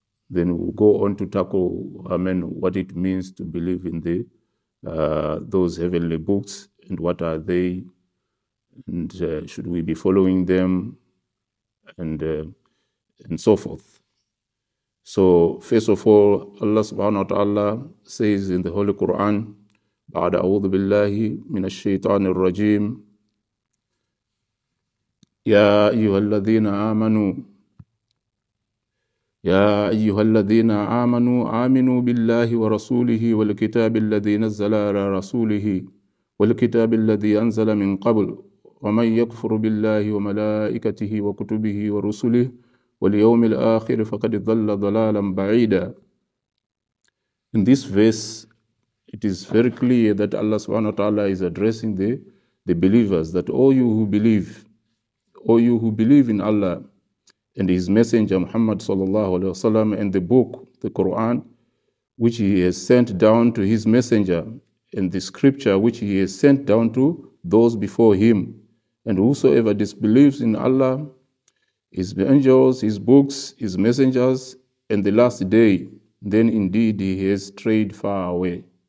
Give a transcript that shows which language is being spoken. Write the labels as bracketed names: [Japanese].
[English] Then we'll go on to tackle, I mean, what it means to believe in the those heavenly books, and what are they, and should we be following them, and so forth. So first of all, Allah subhanahu wa ta'ala says in the Holy Quran, [Arabic] بعد أعوذ بالله من الشيطان الرجيم يا أيها الذين آمنوا يا أيها الذين آمنوا آمنوا بالله ورسوله والكتاب الذي نزل على رسوله والكتاب الذي أنزل من قبل ومن يكفر بالله وملائكته وكتبه ورسله واليوم الآخر فقد ضل ضلالا بعيدا. [English] In this verse, it is very clear that Allah subhanahu wa ta'ala is addressing the believers, that all you who believe in Allah and his messenger Muhammad sallallahu alaihi wasallam and the book, the Quran, which he has sent down to his messenger, and the scripture which he has sent down to those before him, and whosoever disbelieves in Allah, his angels, his books, his messengers, and the last day, then indeed he has strayed far away.